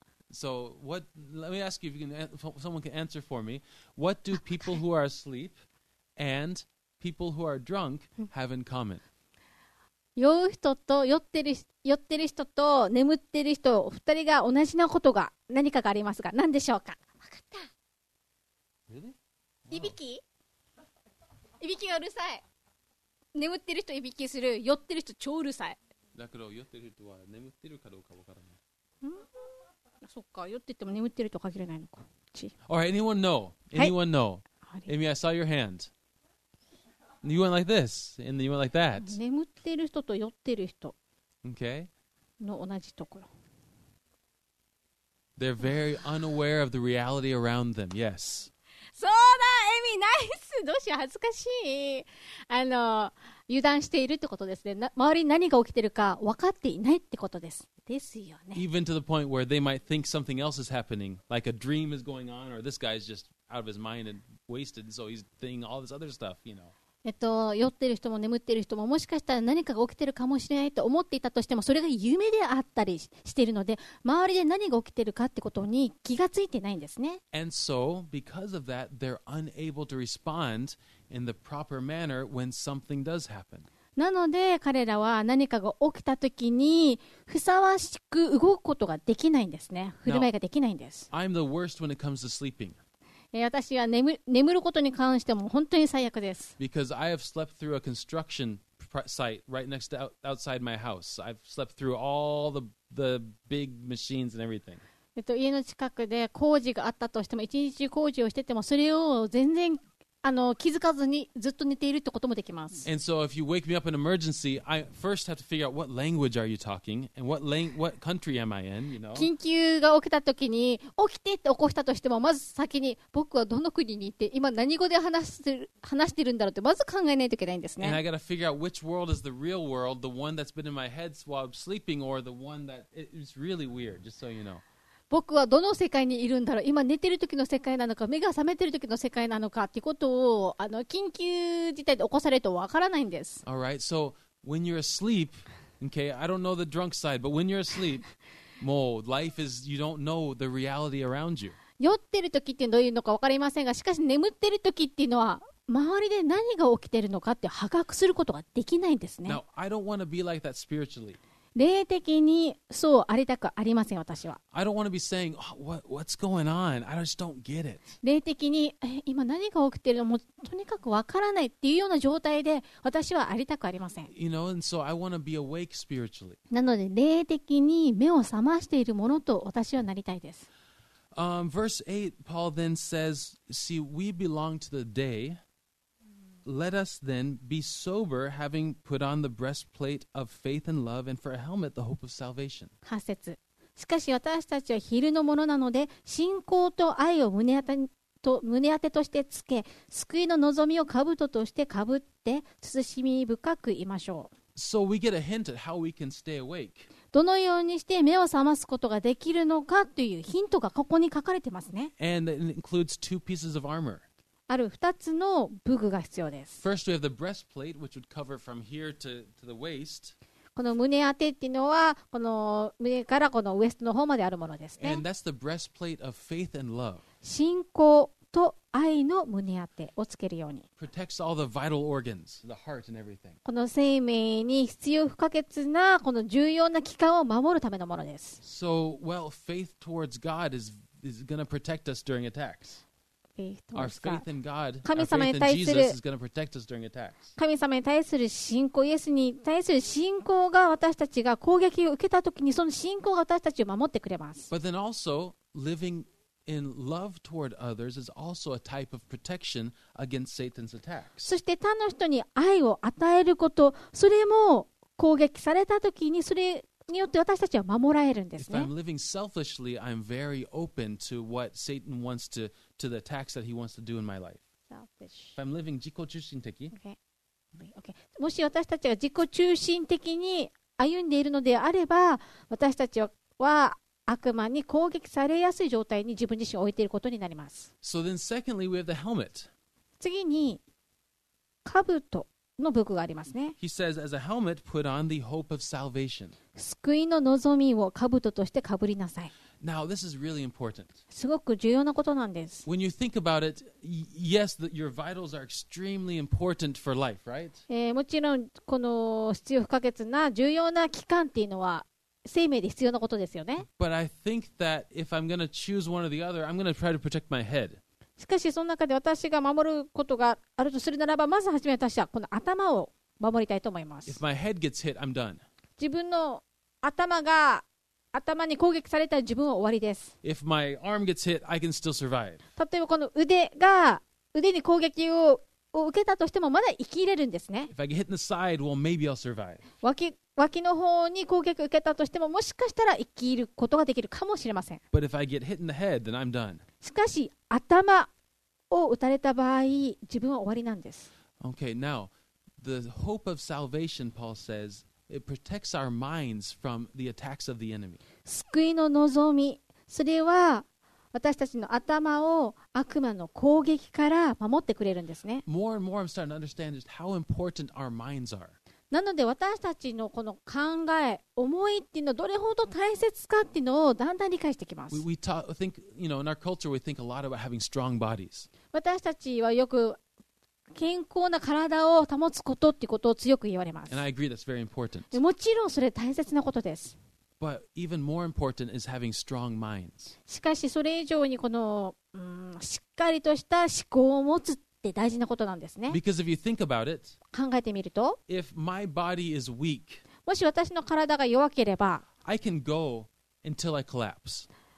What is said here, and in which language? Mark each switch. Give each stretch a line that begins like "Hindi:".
English: So what, let me ask you if you can, someone can answer for me. What do people who are asleep and people who are drunk have in common?
Japanese: 酔う人と酔ってる人と眠ってる人、二人が同じなことが何かがありますが、何でしょうか。分かった。
English: Really?
Japanese: Wow. いびき？いびきがうるさい。眠ってる人いびきする。酔ってる人超うるさい。だから酔ってる人は眠ってるかどうかわからない。ん？そっか、酔ってても眠ってると限らないのか。
English: Or anyone know? Anyone know? Amy, I saw your hand. You went like this, and then you went like that.
Japanese: 眠ってる人と酔ってる人。
English: Okay.
Japanese: の同じところ。
English: They're very unaware of the reality around them. Yes.
Japanese: そうだ、エミ、ナイス。どうしよう、恥ずかしい。油断しているってことですね。周りに何が起きてるか分かっていないってことです。ですよね。
English: Even to the point where they might think something else is happening, like a dream is going on, or this guy is just out of his mind and wasted, so he's thinking all this other stuff, you know.
Japanese: 酔ってる人も眠ってる人ももしかしたら何かが起きてるかもしれないと思っていたとしても、それが夢であったりしているので、周りで何が起きてるかってことに気がついてないんですね。
English: And so, because of that, they're unable to respond in the proper manner when something does happen.
Japanese: なので彼らは何かが起きたときにふさわしく動くことができないんですね。振る舞いができないんです。
English: Now, I'm the worst when it comes to sleeping.
Japanese: 私は眠ることに関しても本当に最悪です。
English: Because I have slept through a construction site right next to outside my house. I've slept through all the big machines and everything.
Japanese: 家の近くで工事があったとしても、一日中工事をしててもそれを全然気づかずにずっと寝ているってこともできます。
English: And so if you wake me up in an emergency, I first have to figure out what language are you talking and what country am I in, you know?
Japanese: 緊急が起きた時に起きてって起こしたとしても、まず先に僕はどの国にいて今何語で話してるんだろうってまず考えないといけないんですね。
English: And I gotta figure out which world is the real world, the one that's been in my head while I'm sleeping or the one that is really weird, just so you know.
Japanese: 僕はどの世界にいるんだろう、今寝てる時の世界なのか目が覚めてる時の世界なのかってことを緊急事態で起こされるとわからないんです。
English: All right, so when you're asleep, okay, I don't know the drunk side, but when you're asleep, もう life is, you don't know the reality around you.
Japanese: 酔ってる時ってどういうのかわかりませんが、しかし眠ってる時っていうのは周りで何が起きてるのかって把握することができないんですね。
English: Now, I don't want to be like that spiritually.
Japanese: 霊的にそうありたくありません、私は。
English: I don't want to be saying, what's going on? I just don't get it.
Japanese: 霊的に、今何が起きているのもとにかくわからないっていうような状態で私はありたくありません。
English: You know, and so I want to be awake spiritually.
Japanese: なので、霊的に目を覚ましているものと私はなりたいです。
English: Verse 8, Paul then says, See, we belong to the day. Let us then be sober, having put on the breastplate of faith and love, and for a helmet, the hope of salvation.
Japanese: 8節。しかし私たちは昼のものなので、信仰と愛を胸当てとしてつけ、救いの望みを兜としてかぶって、慎み深くいましょう。
English: So we get a hint at how we can stay awake.
Japanese: どのようにして目を覚ますことができるのかというヒントがここに書かれてますね。
English: And it includes two pieces of armor.
Japanese: ある二つの武具が必要です。
English: First, we have the breastplate, which would cover from here to the waist.
Japanese: この胸当てっていうのは、この胸からこのウエストの方まであるものですね。
English: And that's the breastplate of faith and love.
Japanese: 信仰と愛の胸当てをつけるように。
English: Protects all the vital organs, the heart and everything.
Japanese: この生命に必要不可欠なこの重要な器官を守るためのものです。
English: So, well, faith towards God is going to protect us during attacks. Our faith in God, our faith in Jesus is going to protect us during attacks.
Japanese: 神様に対する信仰、イエスに対する信仰が私たちが攻撃を受けたときに、その信仰が私たちを守ってくれます。
English: But then also, living in love toward others is also a type of protection against Satan's attacks.
Japanese: そして他の人に愛を与えること、それも攻撃されたときに、それによって私たちは守られるんですね。
English: If I'm living selfishly, I'm very open to what Satan wants to. To the attacks that he wants to do in my life. Selfish. If I'm living 自己中心的 okay.
Japanese: もし私たちが自己中心的に歩んでいるのであれば、私たちは悪魔に攻撃されやすい状態に自分自身を置いていることになります。
English: So then secondly, we have the helmet.
Japanese: 次に、兜の武具がありますね。
English: He says, as a helmet, put on the hope of salvation.
Japanese: 救いの望みを兜としてかぶりなさい。
English: Now, this is really important.
Japanese: すごく重要なことなんです。
English: When you think about it, yes, your vitals are extremely important for life, right?
Japanese: もちろん、この必要不可欠な重要な器官っていうのは生命で必要なことですよね。
English: But I think that if I'm going to choose one or the other, I'm going to try to protect my head.
Japanese: しかし、その中で私が守ることがあるとするならば、まずはじめ私はこの頭を守りたいと思います。
English: If my head gets hit, I'm done.
Japanese: 自分の頭が頭に攻撃されたら自分は終わりです。
English: If my arm gets hit, I can still survive.
Japanese: 例えばこの腕が腕に攻撃 を受けたとしてもまだ生きれるんですね。
English: If I get hit in the side, well, maybe I'll survive.
Japanese: 脇の方に攻撃を受けたとしてももしかしたら生きることができるかもしれません。
English: But if I get hit in the head, then I'm done.
Japanese: しかし頭を打たれた場合自分は終わりなんです。
English: Okay, now, the hope of salvation, Paul says,It protects our minds from the attacks of the enemy.
Japanese: 救いの望み、それは私たちの頭を悪魔の攻撃から守ってくれるんですね。
English: More and more, I'm starting to understand just how important our minds are.
Japanese: なので私たちのこの考え、思いっていうのはどれほど大切かっていうのをだんだん理解してきます。
English: We think, you know, in our culture, we think a lot about having strong bodies.
Japanese: 私たちはよく健康な体を保つことっていうことを強く言われます。
English: And I agree, that's very important.
Japanese: もちろんそれ大切なことです。
English: But even more important is having strong minds.
Japanese: しかしそれ以上にこの、しっかりとした思考を持つって大事なことなんですね。
English: Because if you think about it,
Japanese: 考えてみると、
English: if my body is weak,
Japanese: もし私の体が弱ければ、
English: I can go until I collapse.